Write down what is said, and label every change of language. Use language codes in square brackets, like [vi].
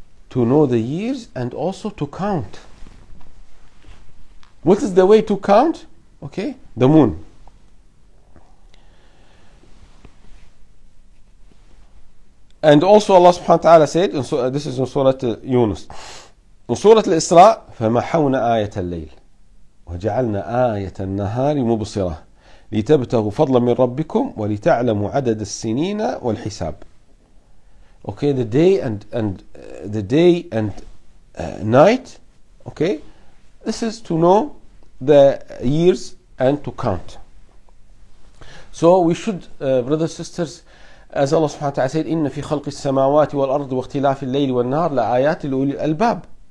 [en] To know the years and also to count. What is the way to count? Okay, the moon. And also Allah subhanahu wa ta'ala said, this is in Surah Yunus. [ar] In Surah Al-Isra, فَمَحَوْنَا آيَةَ اللَّيْلِ وَجَعَلْنَا آيَةَ النَّهَارِ مُبْصِرَةً لِتَبْتَغُوا فَضْلًا مِنْ رَبِّكُمْ وَلِتَعْلَمُوا عَدَدَ السِّنِينَ وَالْحِسَابِ. [en] Okay, the day and night, okay, this is to know the years and to count. So we should, brothers, sisters, as [ar] Allah subhanahu wa ta'ala said, إِنَّ فِي خَلْقِ السَّمَاوَاتِ وَالْأَرْضِ وَاخْتِلَافِ اللَّيْلِ وَالنَّهَارِ لَآيَاتِ لِأُولِي الْأَلْبَابِ.